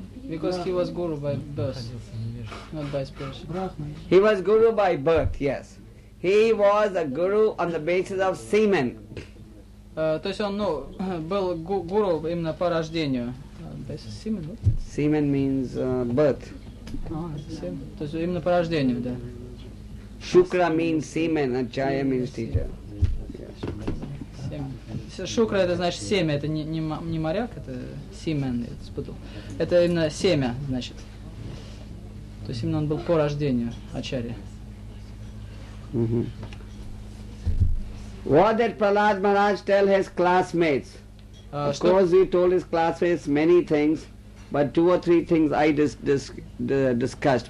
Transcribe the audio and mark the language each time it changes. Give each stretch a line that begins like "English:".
English: Because he was guru by birth, not by spiritual. He was guru by birth, yes. He was a guru on the basis of semen.
Russian: То есть он, ну, был гуру именно по рождению.
English: Semen, what? Semen means birth.
Russian: То есть именно по рождению, да.
English: Shukra means semen, and Jaya means teacher. Yeah.
Russian: Шукра это значит семя, это не моряк, это семен, я это спутал. Это именно семя, значит. То есть именно он был по рождению Ачарьи.
English: What did Prahlad Maharaj tell his classmates? Of course, he told his classmates many things, but two or three things I discussed.